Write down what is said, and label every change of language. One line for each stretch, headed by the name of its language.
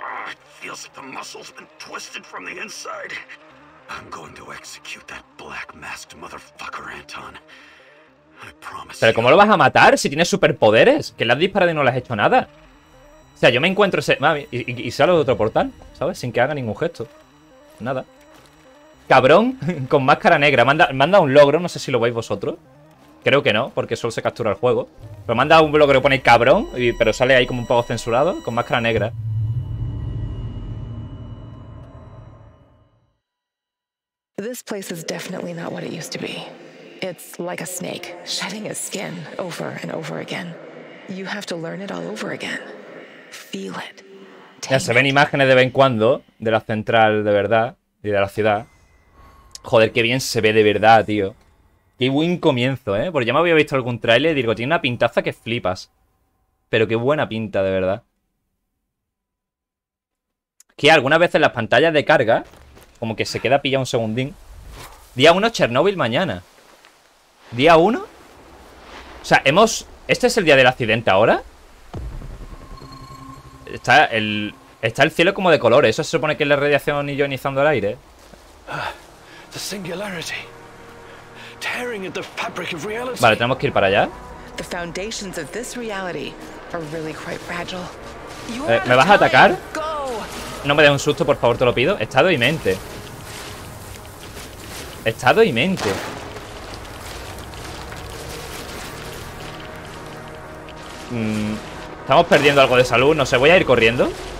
English: It feels like the muscle's been twisted from the inside. I'm going to execute that black-masked motherfucker, Anton. I promise.
Spanish: ¿Pero cómo lo vas a matar si tienes superpoderes? Que le has disparado y no le has hecho nada. O sea, yo me encuentro ese... Y salgo de otro portal, ¿sabes? Sin que haga ningún gesto. Nada. Cabrón con máscara negra. Manda un logro, no sé si lo veis vosotros. Creo que no, porque solo se captura el juego. Pero manda un logro que pone cabrón, pero sale ahí como un poco censurado, con máscara negra.
English: This place is definitely not what it used to be. It's like a snake, shedding its skin over and over again. You have to learn it all over again. Feel it.
Spanish: Ya se ven imágenes de vez en cuando de la central de verdad y de la ciudad. Joder, qué bien se ve de verdad, tío. Qué buen comienzo, ¿eh? Porque ya me había visto algún tráiler y digo, tiene una pintaza que flipas. Pero qué buena pinta, de verdad. Que algunas veces las pantallas de carga... Como que se queda pillado un segundín. Día 1, Chernobyl mañana. ¿Día 1? O sea, hemos... ¿Este es el día del accidente ahora? Está el cielo como de colores. Eso se supone que es la radiación ionizando el aire.
English: The singularity. Tearing at the fabric of reality.
Spanish: Vale, tenemos que ir para allá.
English: The foundations of this reality are really quite fragile.
Spanish: ¿Me vas a atacar? No me des un susto, por favor, te lo pido. Estado y mente. Estado y mente. Estamos perdiendo algo de salud. No sé, voy a ir corriendo.